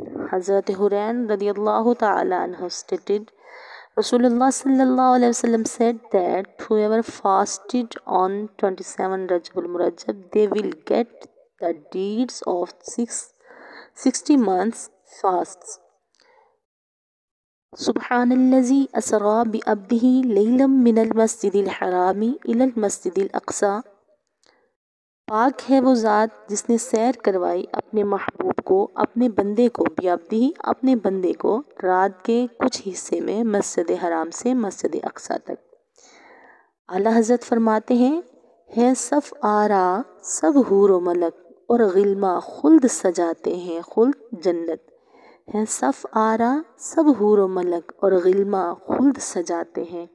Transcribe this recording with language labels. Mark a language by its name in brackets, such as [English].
[English] Hazrat Hurayn radiallahu ta'ala anhu stated, Rasulullah sallallahu alayhi wa sallam said that whoever fasted on 27 Rajab al-Murajab, they will get the deeds of 60 months fasts. [Arabic] سبحان الذي أسرى بأبده ليلا من المسجد الحرام إلى المسجد الأقصى. [Urdu] پاک ہے وہ ذات جس نے سیر کروائی اپنے محبوب کو اپنے بندے کو بیابدہی اپنے بندے کو رات کے کچھ حصے میں مسجد حرام سے مسجد اقصا تک. اعلیٰ حضرت فرماتے ہیں ہے صف آرا سب حور و ملک اور غلمہ خلد سجاتے ہیں خلد جنت ہے صف آرا سب حور و ملک اور غلمہ خلد سجاتے ہیں.